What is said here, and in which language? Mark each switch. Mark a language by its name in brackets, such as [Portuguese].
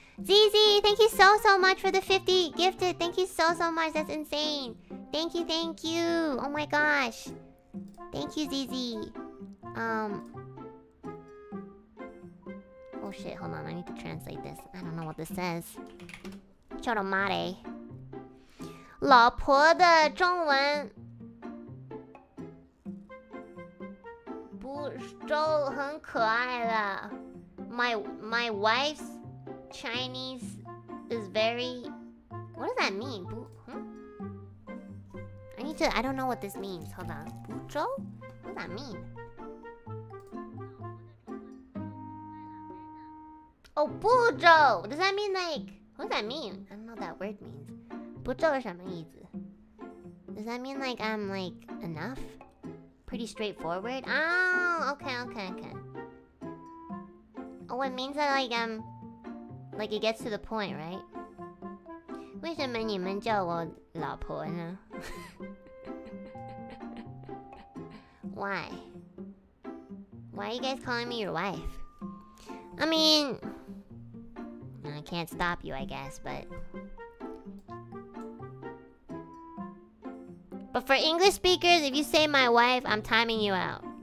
[English] ZZ, thank you so, so much for the 50 gifted. Thank you so, so much. That's insane. Thank you, thank you. Oh my gosh. Thank you, ZZ. Oh shit, hold on, I need to translate this. I don't know what this says. Choromare. [Chinese] 老婆的中文 不就很可爱了。 [English] My wife's Chinese is very... What does that mean? I don't know what this means. Hold on. Bucho? What does that mean? Oh, bucho! Does that mean like... What does that mean? I don't know what that word means. Bucho is [Chinese] 什么意思? [English] Does that mean like I'm like... enough? Pretty straightforward? Oh, okay. Oh, it means that like I'm... like it gets to the point, right? [Chinese] 为什么你们叫我老婆呢? [English] Why are you guys calling me your wife? I mean, I can't stop you, I guess, but for English speakers, if you say my wife, I'm timing you out.